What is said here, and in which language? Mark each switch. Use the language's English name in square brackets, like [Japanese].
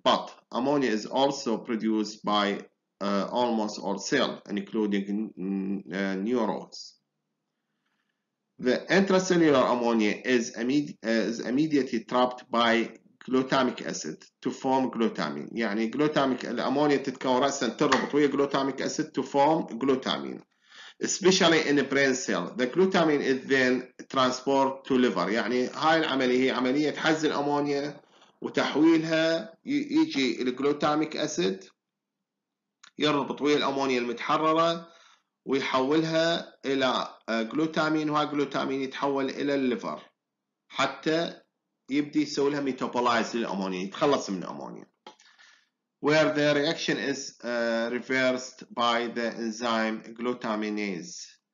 [English] but ammonia is also produced by almost all cell including neurons. The intracellular ammonia is immediately trapped by glutamic acid to form glutamine. [Arabic] يعني glutamic الأمونيا تتكون رأسا تربط ويا glutamic acid [English] to form glutamine. especially in the brain cell. the glutamine is then transported to liver. [Arabic] يعني هاي العملية هي عملية حز الأمونيا وتحويلها، يجي الجلوتاميك أسيد يربط ويا الأمونيا المتحررة ويحولها إلى جلوتامين، وهذا الجلوتامين يتحول إلى الليفر حتى يبدي يسوي لها ميتابولايز للأمونيا، يتخلص من الأمونيا. [English] where the reaction is reversed by the enzyme glutaminase.